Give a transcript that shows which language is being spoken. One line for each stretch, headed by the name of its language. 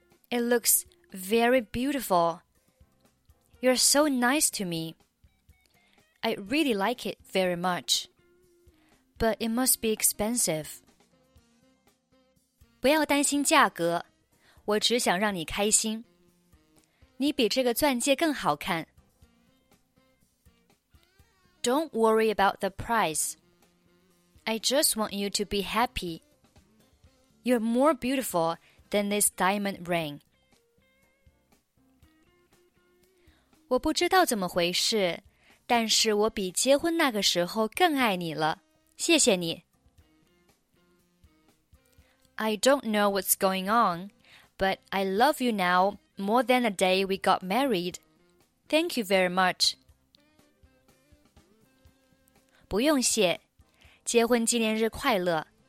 English: It looks very beautiful. You're so nice to me. I really like it very much. But it must be expensive.
Chinese: 不要担心价格，我只想让你开心。你比这个钻戒更好看。
English: Don't worry about the price. I just want you to be happy. You're more beautiful than this diamond ring.
Chinese: 我不知道怎么回事，但是我比结婚那个时候更爱你了。谢谢你。
English: I don't know what's going on, but I love you now more than the day we got married. Thank you very much.
Chinese: 不用谢，结婚纪念日快乐。